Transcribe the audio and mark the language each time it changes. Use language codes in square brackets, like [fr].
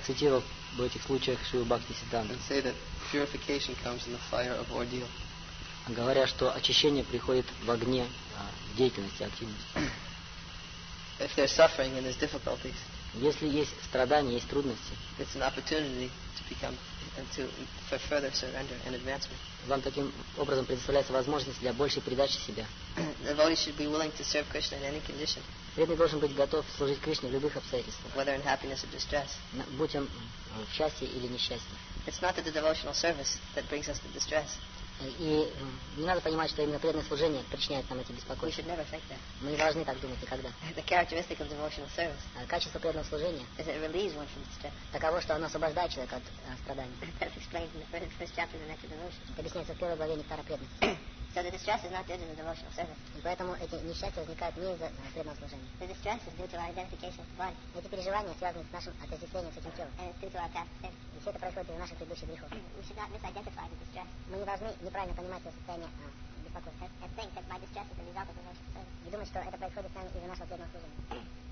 [ru] цитировал в этих случаях Шрилу Бхакти Сиддханту. [en] And say that purification comes in the fire of ordeal. [ru] Говоря, что очищение приходит в огне деятельности, активности. [en] If there's suffering and there's difficulties. [ru] Если есть страдания, есть трудности. [en] It's an opportunity to become and to for further surrender and advancement. [ru] Вам таким образом предоставляется возможность для большей предачи себя. [en] Devotee should be willing to serve Krishna in any condition. [ru] Преданный должен быть готов служить Кришне в любых обстоятельствах. [en] Whether in happiness or distress. [ru] Будь он в счастье или несчастье. [en] It's not that the devotional service that brings us to distress. [ru] И не надо понимать, что именно преданное служение причиняет нам эти беспокойства. [en] We should never think that. [ru] Мы не должны так думать никогда. [en] The characteristic of devotional service. [ru] Качество преданного служения. [en] Is it relieves one from distress. [ru] Таково, что оно освобождает человека от страданий. [en] That's explained in the first chapter of the Nectar of Devotion. [ru] Это объясняется в первой главе Нектара преданности. [en] So the distress is not due to the devotional service. [ru] И поэтому эти несчастья возникают не из-за преданного служения. [en] The distress is due to our identification with the body. [ru] Эти переживания связаны с нашим отождествлением с этим телом. [en] And it's due to our past sins. [ru] И все это происходит из-за наших предыдущих грехов. [en] We should not misidentify the distress. [ru] Мы не должны неправильно понимать это состояние беспокойства. [en] And think that my distress is a result of the devotional service. [ru] И думать, что это происходит с нами из-за нашего преданного служения.